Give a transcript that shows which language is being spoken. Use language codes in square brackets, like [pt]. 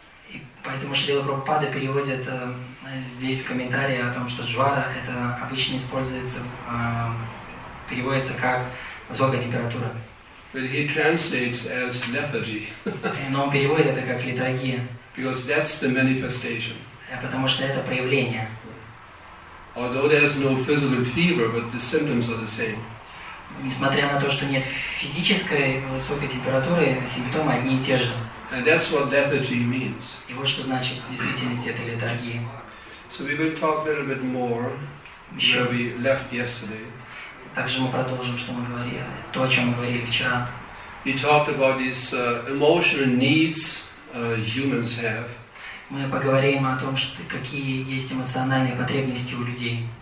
[ru] И поэтому Шрила Прабхупада переводит здесь в комментарии о том, что jvara это обычно используется. Переводится как высокая температура. [en] But he translates as lethargy. [ru] Но он переводит это как летаргия. [en] Because that's the manifestation. [ru] Потому что это проявление. [en] Although there's no physical fever, but the symptoms are the same. [ru] Несмотря на то, что нет физической высокой температуры, симптомы одни и те же. [en] And that's what lethargy means. [ru] И вот что значит в действительности это летаргия. [en] So we will talk a little bit more where we left yesterday. [ru] Также мы продолжим, что мы говорили, то, о чем мы говорили вчера. [en] We talked about these emotional needs humans have. [ru] Мы поговорим о том, что какие есть эмоциональные потребности у людей.